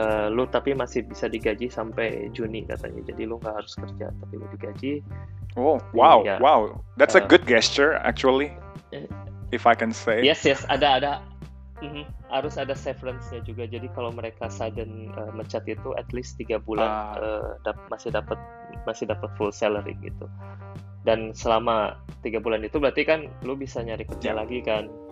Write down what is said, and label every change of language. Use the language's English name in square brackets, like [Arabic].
[Indonesian] Lu tapi masih bisa digaji sampai Juni katanya, jadi lu nggak harus kerja tapi lu digaji. [English] Wow, that's a good gesture actually, if I can say. [Indonesian] Yes, ada harus ada severance-nya juga, jadi kalau mereka sudden mecat itu [English] at least [Indonesian] 3 bulan masih dapat [English] full salary [Indonesian] gitu, dan selama 3 bulan itu berarti kan lu bisa nyari kerja lagi kan.